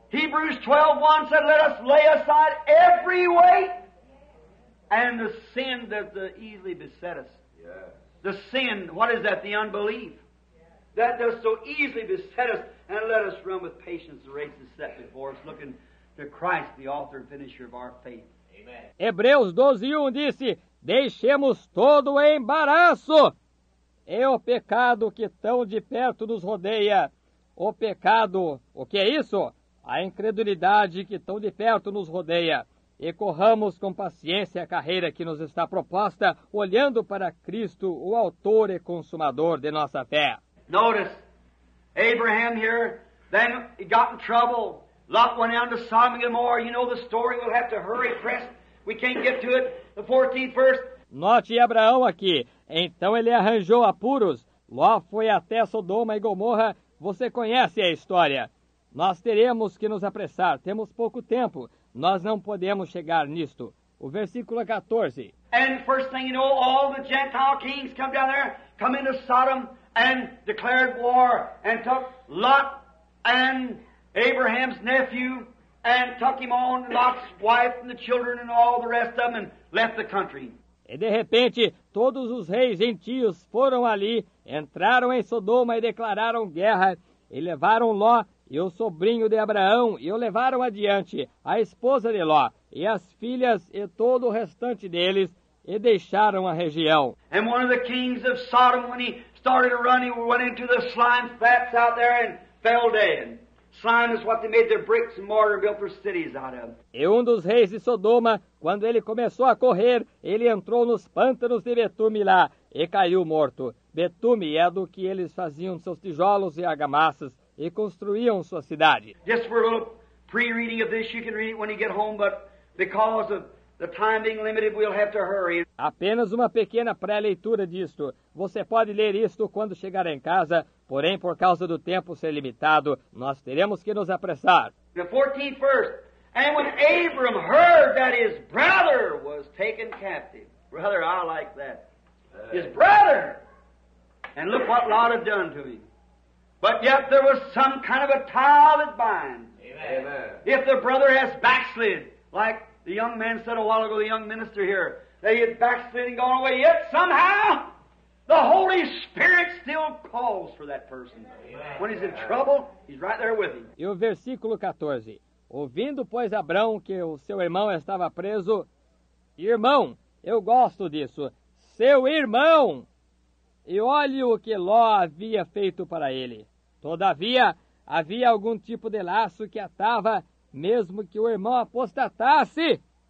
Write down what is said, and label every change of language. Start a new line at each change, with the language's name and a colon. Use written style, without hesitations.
English: Hebrews 12:1 said, let us lay aside every weight and the sin that the easily beset us. Yeah. The sin, what is that? The unbelief. Yeah. That does so easily beset us, and let us run with patience the race is set before us, looking to Christ, the author and finisher of our faith. Amen.
Portuguese: Hebreus 12:1 disse, deixemos todo o embaraço e o pecado que tão de perto nos rodeia. O pecado, o que é isso? A incredulidade que tão de perto nos rodeia. E corramos com paciência a carreira que nos está proposta, olhando para Cristo, o autor e consumador de nossa fé.
English: Notice, Abraham here, then he got in trouble. Lot went down to Sodom and Gomorrah. You know the story, we'll have to hurry, press. We can't get to it. The 14th verse.
Portuguese: Note Abraão aqui. Então ele arranjou apuros. Ló foi até Sodoma e Gomorra. Você conhece a história. Nós teremos que nos apressar. Temos pouco tempo. Nós não podemos chegar nisto. O versículo 14.
English: And first thing you know, all the Gentile kings come down there, come into Sodom and declared war and took Lot and Abraham's nephew and took him on, Lot's wife and the children and all the rest of them and left the country.
Portuguese: E de repente, todos os reis gentios foram ali, entraram em Sodoma e declararam guerra, e levaram Ló e o sobrinho de Abraão, e o levaram adiante, a esposa de Ló, e as filhas e todo o restante deles, e deixaram a região.
English: And one of the kings of Sodom, when he started to run, he went into the slime vats out there and fell dead. Slime is what they made their bricks and mortar built their cities out of.
Portuguese: E um dos reis de Sodoma, quando ele começou a correr, ele entrou nos pântanos de Betume lá e caiu morto. Betume é do que eles faziam seus tijolos e argamassas e construíam sua cidade.
English: Just for a little pre-reading of this, you can read it when you get home, but because of The time being limited, we'll have to hurry.
Portuguese: Apenas uma pequena pré-leitura disto. Você pode ler isto quando chegar em casa, porém, por causa do tempo ser limitado, nós teremos que nos apressar.
English: The 14th verse. And when Abram heard that his brother was taken captive. Brother, I like that. His brother. And look what Lot had done to him. But yet there was some kind of a tie that binds. Amen. If the brother has backslid, like the young man said a while ago, the young minister here, that he had backslid and gone away, yet somehow the Holy Spirit still calls for that person. Amen. When he's in trouble, he's right there with him.
Portuguese: E o versículo 14. Ouvindo, pois, Abrão que o seu irmão estava preso, irmão, eu gosto disso, seu irmão, e olhe o que Ló havia feito para ele. Todavia, havia algum tipo de laço que atava, mesmo que o irmão apostatasse.